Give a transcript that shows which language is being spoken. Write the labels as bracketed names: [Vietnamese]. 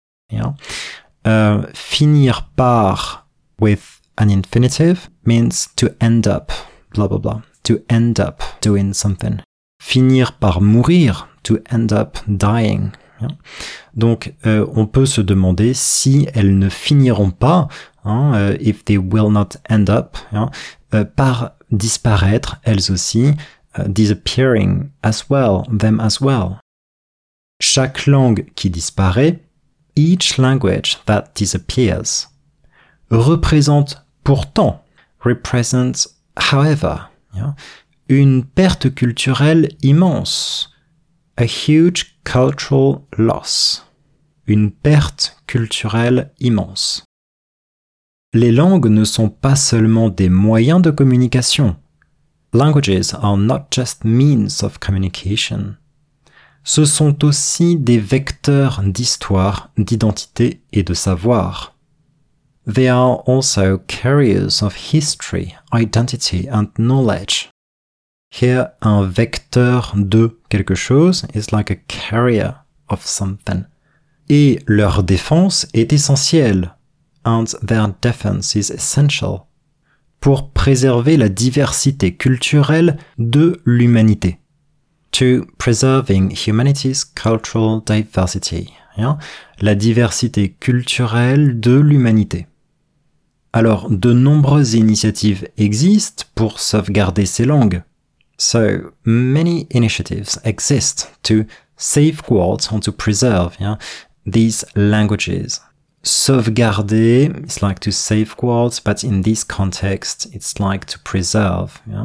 [English] Yeah. Finir par with an infinitive means to end up, blah, blah, blah, to end up doing something. [French] Finir par mourir, [English] to end up dying. Yeah. [French] Donc, on peut se demander si elles ne finiront pas, hein, [English] if they will not end up, yeah, [French] par disparaître, elles aussi, [English] disappearing as well, them as well. [French] Chaque langue qui disparaît, [English] each language that disappears, [French] représente pourtant, [English] represents however, [French] yeah, une perte culturelle immense, [English] a huge cultural loss, [French] une perte culturelle immense. Les langues ne sont pas seulement des moyens de communication. [English] Languages are not just means of communication. [French] Ce sont aussi des vecteurs d'histoire, d'identité et de savoir. [English] They are also carriers of history, identity and knowledge. Here, [French] un vecteur de quelque chose [English] is like a carrier of something. [French] Et leur défense est essentielle. [English] And their defense is essential. [French] Pour préserver la diversité culturelle de l'humanité. [English] To preserving humanity's cultural diversity. Hein? [French] La diversité culturelle de l'humanité. Alors, de nombreuses initiatives existent pour sauvegarder ces langues. [English] So, many initiatives exist to safeguard and to preserve these languages. Sauvegarder, it's like to safeguard, but in this context, it's like to preserve.